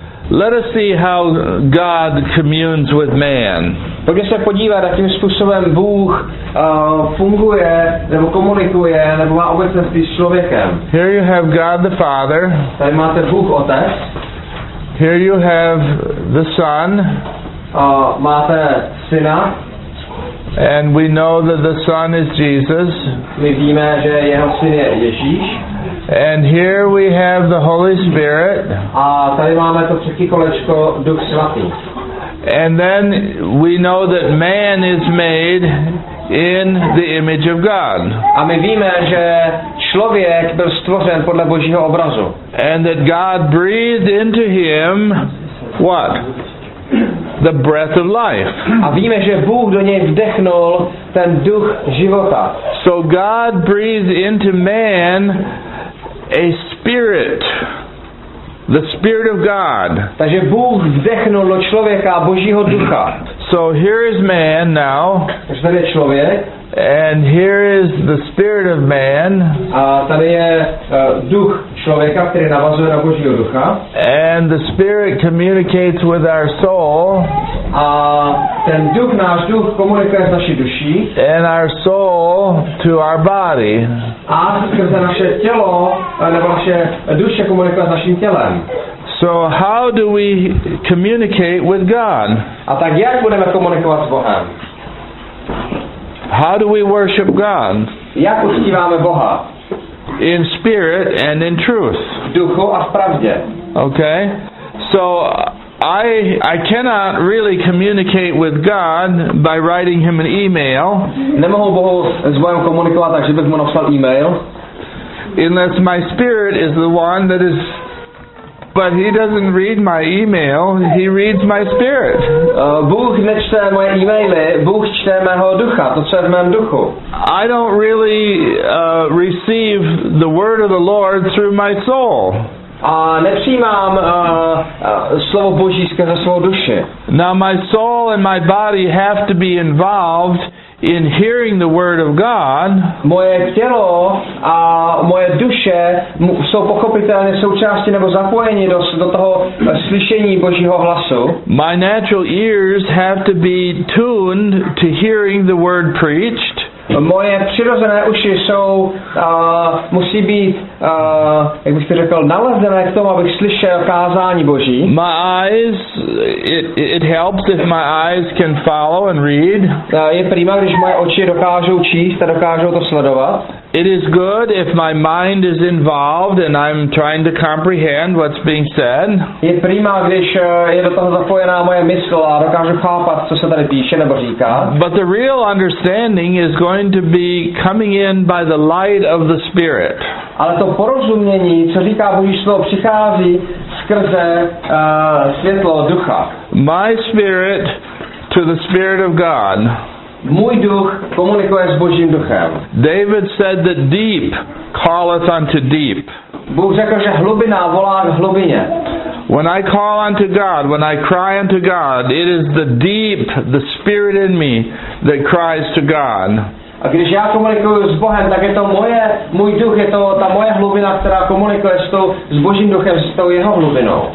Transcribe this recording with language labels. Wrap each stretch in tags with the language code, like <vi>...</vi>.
<en>Let us see how God communes with man.</en> <cs>Pojďme se podívat, jakým způsobem Bůh funguje, nebo komunikuje, nebo má obecně s člověkem.</cs> <en>Here you have God the Father.</en> <cs>Tady máte Bůh Otec.</cs> <en>Here you have the Son.</en> <cs>Máte Syna.</cs> <en>And we know that the Son is Jesus.</en> <cs>My víme, že jeho Syn je Ježíš.</cs> <en>And here we have the Holy Spirit.</en> <cs>A tady máme to třetí kolečko, Duch Svatý.</cs> <en>And then we know that man is made in the image of God.</en> <cs>A my víme, že člověk byl stvořen podle Božího obrazu.</cs> <en>And that God breathed into him what? The breath of life.</en> <cs>A víme, že Bůh do něj vdechnul ten duch života.</cs> <en>So God breathed into man a spirit. The spirit of God.</en> <cs>Takže Bůh vdechnul do člověka Božího ducha.</cs> <en>So here is man now.</en> <cs>Takže tady je člověk.</cs> <en>And here is the spirit of man.</en> <cs>A tady je duch člověka, který navazuje na Božího ducha.</cs> <en>And the spirit communicates with our soul.</en> <cs>A ten duch, náš duch komunikuje s naší duší.</cs> <en>And our soul to our body.</en> <cs>A skrze naše tělo, nebo naše duše komunikuje s naším tělem.</cs> <en>So how do we communicate with God?</en> <cs>A tak jak budeme komunikovat s Bohem?</cs> <en>How do we worship God?</en> <cs>Jak uctíváme Boha?</cs> <en>In spirit and in truth.</en> <cs>V duchu a v pravdě.</cs> <en>Okay. So I cannot really communicate with God by writing him an email.</en> <cs>Nemohu Bohu s Bohem komunikovat, takže bych mu napsal email.</cs> <en>Unless my spirit is the one that is. But he doesn't read my email, he reads my spirit.</en> <cs>Bůh nečte moje e-maily, Bůh čte mého ducha, to je v mém duchu.</cs> <en>I don't really receive the word of the Lord through my soul.</en> <cs>A nepřijímám slovo Boží skrze svou duši.</cs> <en>Now my soul and my body have to be involved in hearing the word of God.</en> <cs>Moje tělo a moje duše jsou pochopitelně součástí nebo zapojeni do toho slyšení Božího hlasu.</cs> <en>My natural ears have to be tuned to hearing the word preached.</en> <cs>Moje přirozené uši jsou musí být jak bych to řekl, nalezené k tomu, abych slyšel kázání Boží.</cs> <en>My eyes, it helps if my eyes can follow and read.</en> <cs>Je prima, když moje oči dokážou číst a dokážou to sledovat.</cs> <en>It is good if my mind is involved and I'm trying to comprehend what's being said.</en> <cs>Je prima, když je do toho zapojená moje mysl a dokážu chápat, co se tady píše nebo říká.</cs> <en>But the real understanding is going to be coming in by the light of the Spirit.</en> <cs>Ale to porozumění, co říká Boží slovo, přichází skrze světlo ducha.</cs> <en>My spirit to the Spirit of God.</en> <cs>Můj duch komunikuje s Božím duchem.</cs> <en>David said that deep calleth unto deep.</en> <cs>Bůh řekl, že hlubina volá k hlubině.</cs> <en>When I call unto God, when I cry unto God, it is the deep, the spirit in me that cries to God.</en> <cs>A když já komunikuju s Bohem, tak je to moje, můj duch, je to ta moje hlubina, která komunikuje s Božím duchem, s tou jeho hlubinou.</cs>